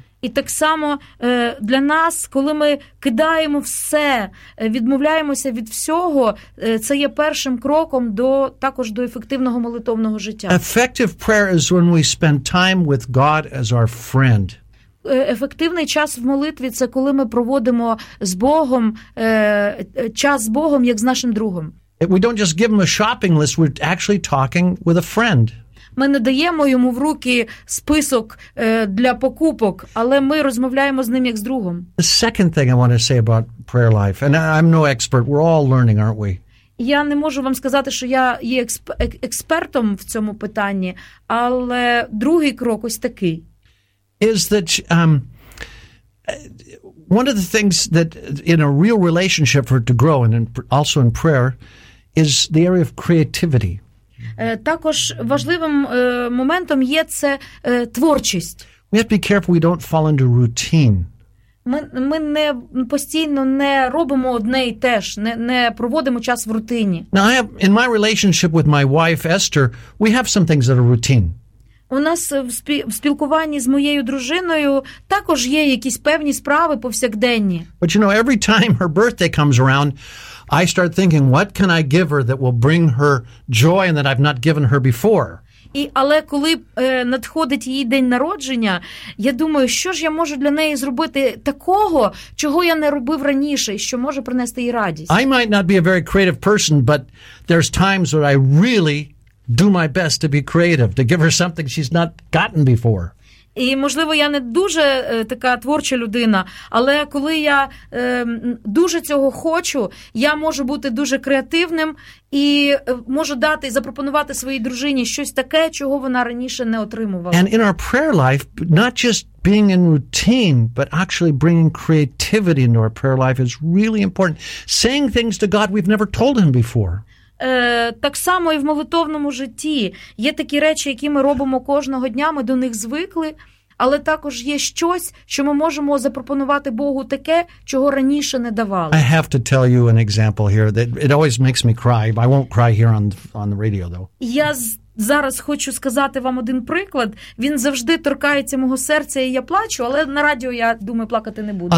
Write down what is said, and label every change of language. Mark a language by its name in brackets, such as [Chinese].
[Ukrainian] І так само для нас, коли ми кидаємо все, відмовляємося від всього, це є першим кроком до ефективного молитовного життя. [English] Effective prayer is when we spend time with God as our friend. [Ukrainian] Ефективний час в молитві – це коли ми проводимо з Богом, час з Богом, як з нашим другом. [English] We don't just give him a shopping list, we're actually talking with a friend. [Ukrainian] Ми не даємо йому в руки список для покупок, але ми розмовляємо з ним як з другом. [English] The second thing I want to say about prayer life, and I'm no expert, we're all learning, aren't we? [Ukrainian] Я не можу вам сказати, що я є експертом в цьому питанні, але другий крок ось такий. [English] Is that one of the things that in a real relationship for it to grow and also in prayer is the area of creativity. [Ukrainian] Також важливим моментом є це творчість. [English] We have to be careful we don't fall into routine. [Ukrainian] Ми не постійно не робимо одне і те ж, не проводимо час в рутині. [English] Now, in my relationship with my wife Esther, we have some things that are routine. [Ukrainian] У нас в спілкуванні з моєю дружиною також є якісь певні справи повсякденні. [English] But you know, every time her birthday comes around, I start thinking, what can I give her that will bring her joy and that I've not given her before? [Ukrainian] Але коли надходить її день народження, я думаю, що ж я можу для неї зробити такого, чого я не робив раніше, що може принести їй радість? [English] I might not be a very creative person, but there's times when I really do my best to be creative, to give her something she's not gotten before. [Ukrainian] І, можливо, я не дуже така творча людина, але коли я дуже цього хочу, я можу бути дуже креативним і можу дати і запропонувати своїй дружині щось таке, чого вона раніше не отримувала. [English] And in our prayer life, not just being in routine, but actually bringing creativity into our prayer life is really important. Saying things to God we've never told him before. [Ukrainian] Так само і в молитовному житті є такі речі, які ми робимо кожного дня, ми до них звикли, але також є щось, що ми можемо запропонувати Богу таке, чого раніше не давали. [English] I have to tell you an example here that it always makes me cry. I won't cry here on the radio though. [Ukrainian] Я зараз хочу сказати вам один приклад. Він завжди торкається мого серця, і я плачу, але на радіо я думаю плакати не буду.